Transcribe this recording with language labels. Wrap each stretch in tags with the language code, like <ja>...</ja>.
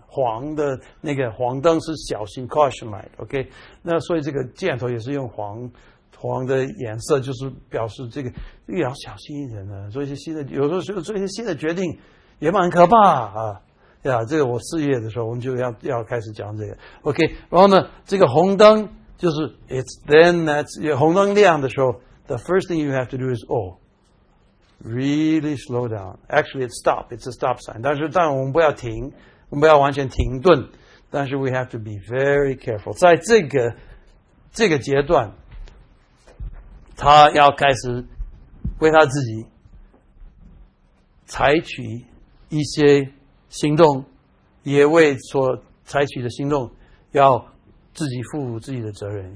<zh>黄的那个黄灯是小心</zh> <en>caution light。</en> <zh>OK， 那所以这个箭头也是用黄的颜色，就是表示这个也要小心一点的，做一些新的，有时候做一些新的决定也蛮可怕啊。呀，这个我四月的时候我们就要开始讲这个。</zh> <en>OK，</en> <zh>然后呢，这个红灯就是</zh> <en>it's then that</en> <zh>红灯亮的时候</zh> <en>，the first thing you have to do is oh， really slow down。 Actually it's stop， it's a stop sign。</en> <zh>但我们不要停，我们不要完全停顿。但是</zh> <en>we have to be very careful。</en> <zh>在这个阶段，他要开始为他自己采取一些行动，也为所采取的行动要自己负自己的责任。</zh>